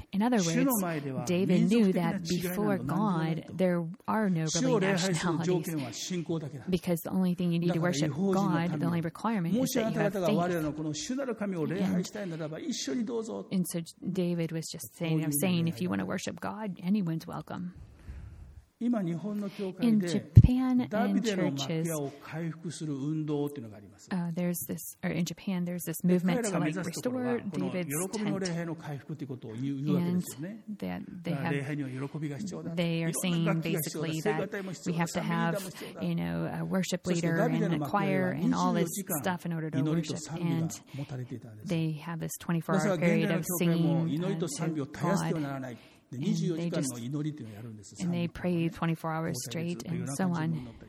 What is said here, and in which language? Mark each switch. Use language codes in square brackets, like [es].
[en] In other words, David knew that before God, there are no really nationalities, because the only thing you need to worship God, the only requirement is that you have faith. And so David was just saying, if you want to worship God, anyone's welcome. [ja] 今日本の教会でJapan, ダビデの幕屋を回復する運動というのがあります。 [en] In Japan, there's this movement to like restore David's tent. [ja] 喜びの礼拝の回復ということを言うわけですよね。礼拝には喜びが必要だ。 [en] They are saying basically that we have to have, you know, a worship leader and a choir and all this stuff in order to worship. And they have this 24-hour period of singing to God. And they pray 24 hours straight and so on.